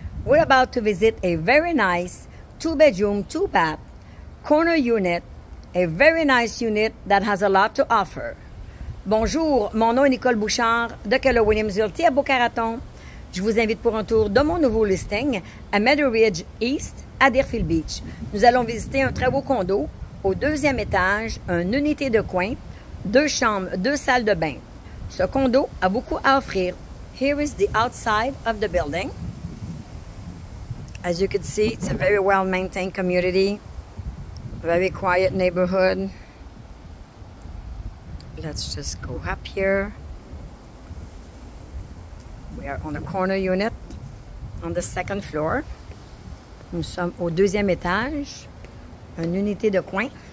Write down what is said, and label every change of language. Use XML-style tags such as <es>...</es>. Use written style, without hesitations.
<en>We're about to visit a very nice two-bedroom, two-bath corner unit, a very nice unit that has a lot to offer.</en> <fr>Bonjour, mon nom est Nicole Bouchard de Keller Williams Realty à Boca Raton. Je vous invite pour un tour de mon nouveau listing à Meadow Ridge East à Deerfield Beach. Nous allons visiter un très beau condo au deuxième étage, une unité de coin, deux chambres, deux salles de bain. Ce condo a beaucoup à offrir.</fr> <en>Here is the outside of the building. As you can see, it's a very well-maintained community. Very quiet neighborhood. Let's just go up here. We are on a corner unit on the second floor.</en> <fr>Nous sommes au deuxième étage, une unité de coin.</fr>